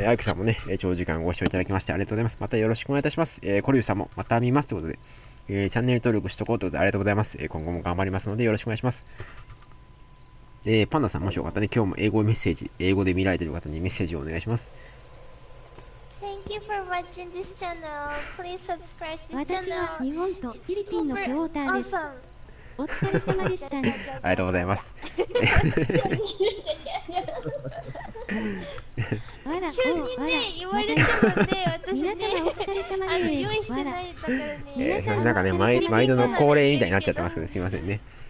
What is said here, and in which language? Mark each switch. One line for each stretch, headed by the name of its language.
Japanese: アイクさんもね、長時間ご視聴いただきましてありがとうございます。またよろしくお願いいたします。コリューさんもまた見ますということで、チャンネル登録しとこうということでありがとうございます。今後も頑張りますのでよろしくお願いします。パンダさん、もしよかったね、今日も英語メッセージ、英語で見られている方にメッセージをお願いします。
English: Thank you for watching this channel. Please subscribe this channel.
Japanese: 私は日本とフィリピンのクォーターです。お疲れ様でした。ありがとうございます。あら、急にね、言われてもね、私ね、皆様お疲れ様です。用意してないだからね。なんかね、毎度の恒例みたいになっちゃってますね。すいませんね。